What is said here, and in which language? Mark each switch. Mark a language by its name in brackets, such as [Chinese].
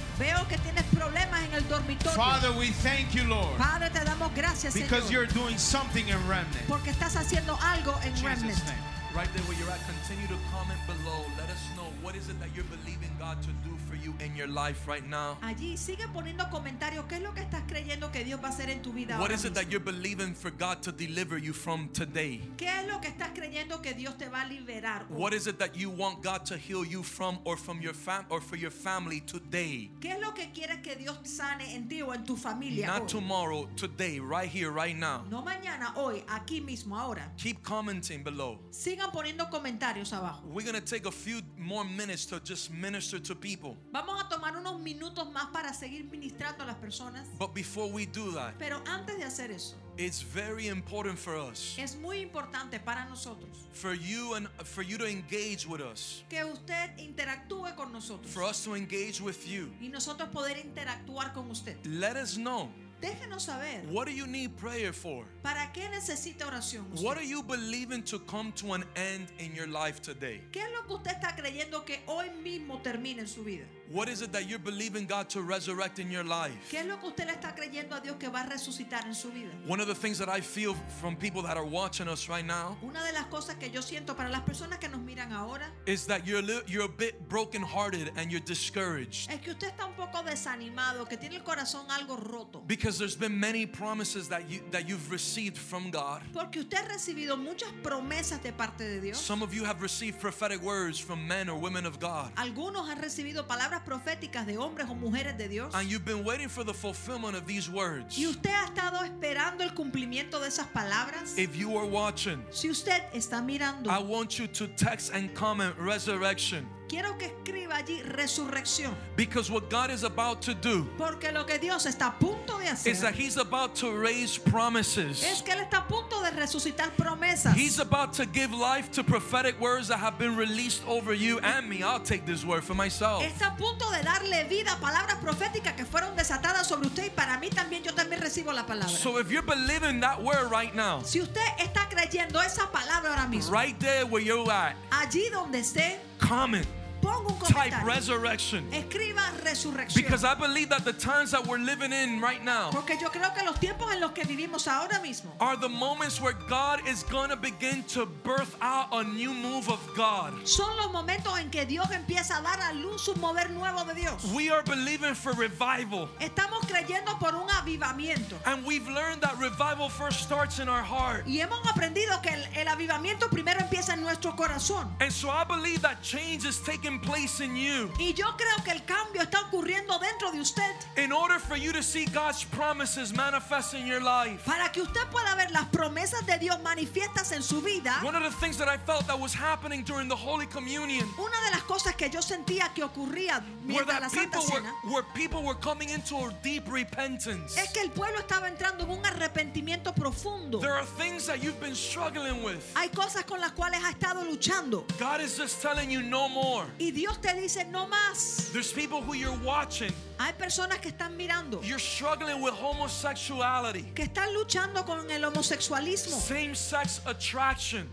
[Spanish] Veo que tienes problemas en el dormitorio. [English] Father, we thank you, Lord. [Spanish] Padre, te damos gracias, [English] because [Spanish] Señor. [English] You're doing something in Remnant. [Spanish] Porque estás haciendo algo en [English] Jesus [Spanish] Remnant. [English] Name. Right there where you're at, continue to comment below. Let us know what is it that you're believing God to do for you in your life right now. [Spanish] Allí sigue poniendo comentarios. ¿Qué es lo que estás creyendo que Dios va a hacer en tu vida? [English] What is it that you're believing for God to deliver you from today? [Spanish] ¿Qué es lo que estás creyendo que Dios te va a liberar? [English] What is it that you want God to heal you from, or from your fam, or for your family today? [Spanish] ¿Qué es lo que quieres que Dios sane en ti o en tu familia? [English] Not tomorrow, today, right here, right now. [Spanish] No mañana, hoy, aquí mismo, ahora. [English] Keep commenting below. [Spanish] Poniendo comentarios abajo. [English] We're going to take a few more minutes to just minister to people. [Spanish] Vamos a tomar unos minutos más para seguir ministrando a las personas. [English] But before we do that, [Spanish] pero antes de hacer eso, [English] it's very important for us. [Spanish] Es muy importante para nosotros. [English] For you to engage with us. [Spanish] Que usted interactúe con nosotros. [English] For us to engage with you. [Spanish] Y nosotros poder interactuar con usted. [English] Let us know. [Spanish] Déjenos saber. [English] What do you need prayer for? [Spanish] ¿Para qué necesita oración usted? [English] What are you believing to come to an end in your life today? [Spanish] ¿Qué es lo que usted está creyendo que hoy mismo termine en su vida? [English] What is it that you're believing God to resurrect in your life? [Spanish] ¿Qué es lo que usted le está creyendo a Dios que va a resucitar en su vida? [English] One of the things that I feel from people that are watching us right now, [Spanish] una de las cosas que yo siento para las personas que nos miran ahora, [English] is that you're a bit brokenhearted and you're discouraged. [Spanish] Es que usted está un poco desanimado, que tiene el corazón algo roto. [English] Because there's been many promises that you've received from God. [Spanish] Porque usted ha recibido muchas promesas de parte de Dios. [English] Some of you have received prophetic words from men or women of God. [Spanish] Algunos han recibido palabras proféticas de hombres o mujeres de Dios. [English] And you've been waiting for the fulfillment of these words. [Spanish] Y usted ha estado esperando el cumplimiento de esas palabras. [English] If you are watching, [Spanish] si usted está mirando, [English] I want you to text and comment resurrection. [Spanish] Quiero que escriba allí resurrección. [English] Because what God is about to do, [Spanish] porque lo que Dios está a punto de hacer, [English] is that He's about to raise promises. [Spanish] Es que Él está a punto de resucitar promesas. [English] He's about to give life to prophetic words that have been released over you and me. I'll take this word for myself. [Spanish] Está a punto de darle vida a palabras proféticas que fueron desatadas sobre usted y para mí también. Yo también recibo la palabra. [English] So if you're believing that word right now, [Spanish] si usted está creyendo esa palabra ahora mismo, [English] right there where you're at, [Spanish] allí donde esté, [English] comment. Type resurrection. [Spanish] Escriba resurrección. [English] Because I believe that the times that we're living in right now, [Spanish] porque yo creo que los tiempos en los que vivimos ahora mismo, [English] are the moments where God is going to begin to birth out a new move of God. [Spanish] Son los momentos en que Dios empieza a dar a luz un mover nuevo de Dios. [English] We are believing for revival. [Spanish] Estamos creyendo por un avivamiento. [English] And we've learned that revival first starts in our heart. [Spanish] Y hemos aprendido que el avivamiento primero empieza en nuestro corazón. [English] And so I believe that change is taking place in you. [Spanish] Y yo creo que el cambio está ocurriendo dentro de usted. [English] In order for you to see God's promises manifest in your life. [Spanish] Para que usted pueda ver las promesas de Dios manifiestas en su vida. [English] One of the things that I felt that was happening during the Holy Communion. [Spanish] Una de las cosas que yo sentía que ocurría mientras la Santa Cena. [English] Where people were coming into a deep repentance. [Spanish] Es que el pueblo estaba entrando en un arrepentimiento profundo. [English] There are things that you've been struggling with. [Spanish] Hay cosas con las cuales has estado luchando. [English] God is just telling you no more. [Spanish] Y Dios te dice no más. [English] There's people who you're watching. [Spanish] Hay personas que están mirando. [English] You're struggling with homosexuality. [Spanish] Que están luchando con el homosexualismo. [English] Same sex attraction.